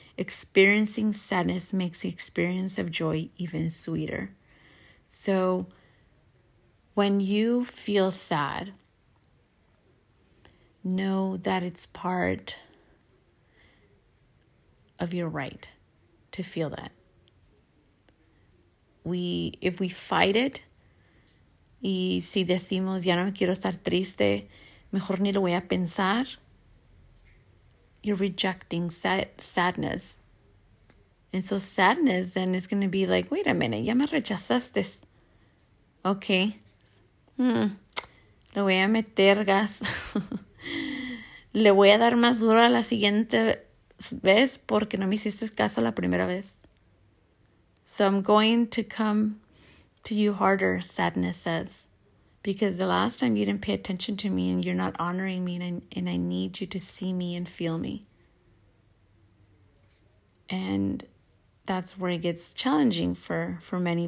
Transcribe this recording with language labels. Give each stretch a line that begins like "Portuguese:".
English: Experiencing sadness makes the experience of joy even sweeter. So, when you feel sad, know that it's part of your right to feel that. If we fight it,
Spanish: y si decimos, ya no me quiero estar triste, mejor ni lo voy a pensar,
English: you're rejecting sadness. And so sadness then is going to be like, wait a minute,
Spanish: ya me rechazaste.
English: Okay.
Spanish: Le voy a meter gas. Le voy a dar más duro a la siguiente vez porque no me hiciste caso la primera vez.
English: So I'm going to come to you harder, sadness says, because the last time you didn't pay attention to me and you're not honoring me, and I need you to see me and feel me. And that's where it gets challenging for many.